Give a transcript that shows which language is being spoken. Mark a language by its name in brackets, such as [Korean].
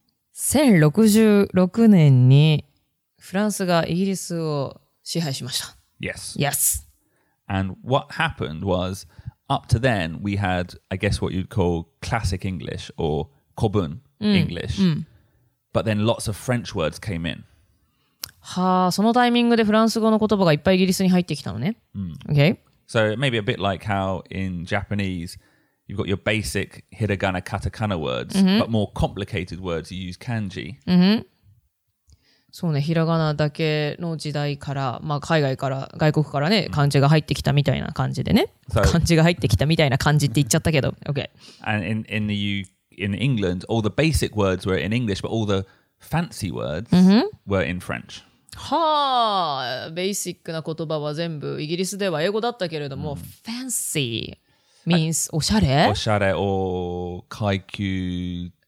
[Japanese] 1066年にフランスがイギリスを支配しました。 [English] Yes. Yes. And what happened was, up to then, we had, I guess what you'd call classic English or 古文 English.、うん、but then lots of French words came in. [Japanese] はあ、そのタイミングでフランス語の言葉がいっぱいイギリスに入ってきたのね。うん、 [English] okay. So maybe a bit like how in Japanese, you've got your basic hiragana katakana words,、うん、but more complicated words you use kanji.、 [Japanese] うんそうね、ひらがなだけの時代から、まあ、海外から、外国からね、漢字が入ってきたみたいな感じでね。 [English] So, [Japanese] 漢字が入ってきたみたいな感じって言っちゃったけど、OK。 [English] And in England, all the basic words were in English, but all the fancy words were in French. [Japanese] はぁ、ベーシックな言葉は全部、イギリスでは英語だったけれども、 [English] fancy means [Japanese] おしゃれ? おしゃれ、or 階級…